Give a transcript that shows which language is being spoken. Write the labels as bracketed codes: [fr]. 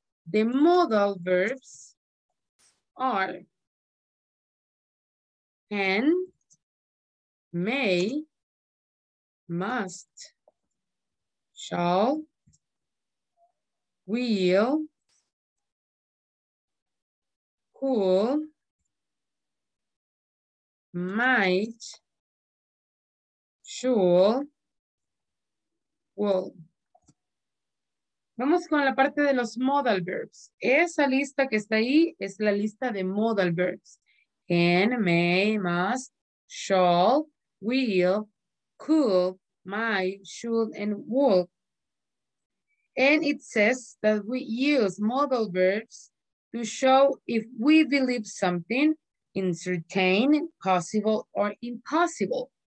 [en] The modal verbs are can, may, must, shall, will, could, might, should, will. [es] Vamos con la parte de los modal verbs. Esa lista que está ahí es la lista de modal verbs. [en] Can, may, must, shall, will, could, might, should, and would. And it says that we use modal verbs to show if we believe something in certain, possible, or impossible.